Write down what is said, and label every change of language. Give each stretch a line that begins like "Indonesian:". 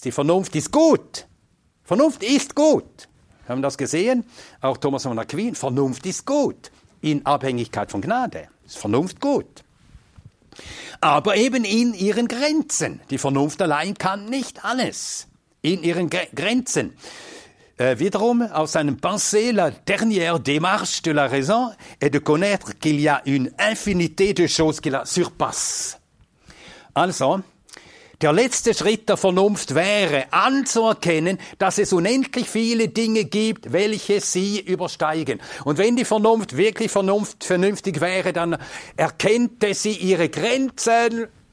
German: Die Vernunft ist gut. Vernunft ist gut. Wir haben das gesehen, auch Thomas von Aquin, Vernunft ist gut, in Abhängigkeit von Gnade. Ist Vernunft gut? Aber eben in ihren Grenzen. Die Vernunft allein kann nicht alles. In ihren Grenzen. Wiederum aus seinem
French: Pensée, la dernière démarche de la raison est de connaître qu'il y a une infinité de choses qui la surpassent.
German: Also, der letzte Schritt der Vernunft wäre, anzuerkennen, dass es unendlich viele Dinge gibt, welche sie übersteigen. Und wenn die Vernunft wirklich vernünftig wäre, dann erkennte sie ihre Grenzen.